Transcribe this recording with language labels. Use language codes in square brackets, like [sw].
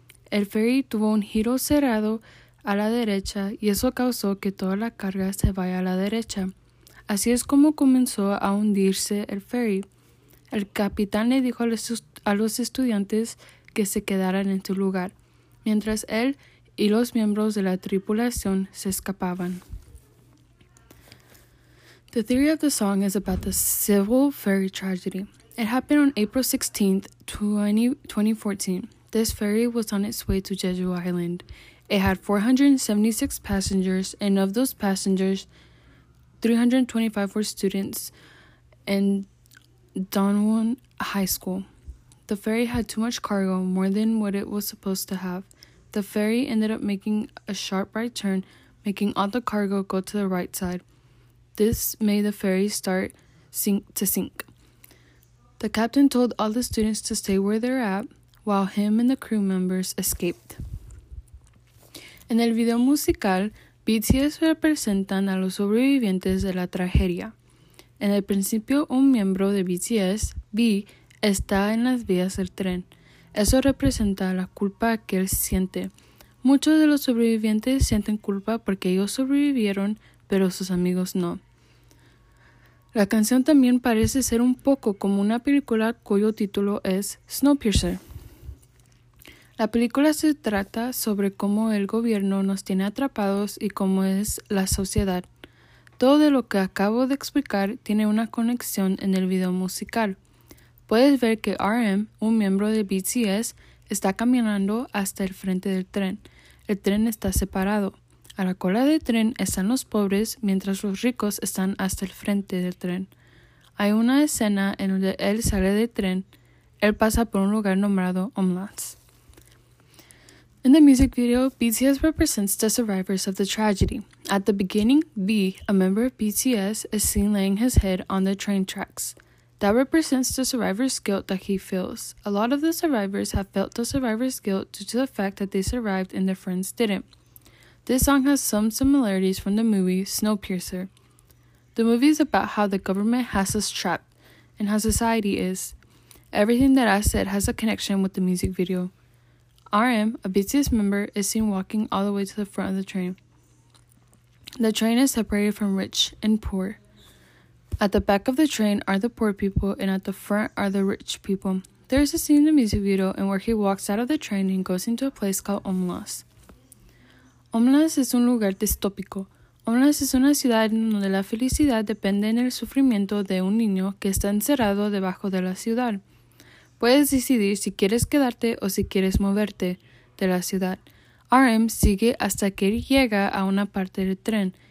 [es] El ferry tuvo un giro cerrado a la derecha y eso causó que toda la carga se vaya a la derecha. Así es como comenzó a hundirse el ferry. El capitán le dijo a los estudiantes que se quedaran en su lugar, mientras él y los miembros de la tripulación se escapaban. [en] The theory of the song is about the Sewol ferry tragedy. It happened on April 16th, 2014. This ferry was on its way to Jeju Island. It had 476 passengers, and of those passengers, 325 were students and Danwon High School. The ferry had too much cargo, more than what it was supposed to have. The ferry ended up making a sharp right turn, making all the cargo go to the right side. This made the ferry start to sink. The captain told all the students to stay where they're at, while him and the crew members escaped. [es] En el video musical, BTS representan a los sobrevivientes de la tragedia. En el principio, un miembro de BTS, V, está en las vías del tren. Eso representa la culpa que él siente. Muchos de los sobrevivientes sienten culpa porque ellos sobrevivieron, pero sus amigos no. La canción también parece ser un poco como una película cuyo título es Snowpiercer. La película se trata sobre cómo el gobierno nos tiene atrapados y cómo es la sociedad. Todo de lo que acabo de explicar tiene una conexión en el video musical. Puedes ver que RM, un miembro de BTS, está caminando hasta el frente del tren. El tren está separado. A la cola del tren están los pobres, mientras los ricos están hasta el frente del tren. Hay una escena en donde él sale del tren. Él pasa por un lugar nombrado Omlats. [en] In the music video, BTS represents the survivors of the tragedy. At the beginning, V, a member of BTS, is seen laying his head on the train tracks. That represents the survivor's guilt that he feels. A lot of the survivors have felt the survivor's guilt due to the fact that they survived and their friends didn't. This song has some similarities from the movie Snowpiercer. The movie is about how the government has us trapped and how society is. Everything that I said has a connection with the music video. RM, a BTS member, is seen walking all the way to the front of the train. The train is separated from rich and poor. At the back of the train are the poor people and at the front are the rich people. There is a scene in the music video in where he walks out of the train and goes into a place called Omlas. Omlas is [es] un lugar distópico. Onlas es una ciudad donde la felicidad depende en el sufrimiento de un niño que está encerrado debajo de la ciudad. Puedes decidir si quieres quedarte o si quieres moverte de la ciudad. RM sigue hasta que llega a una parte del tren.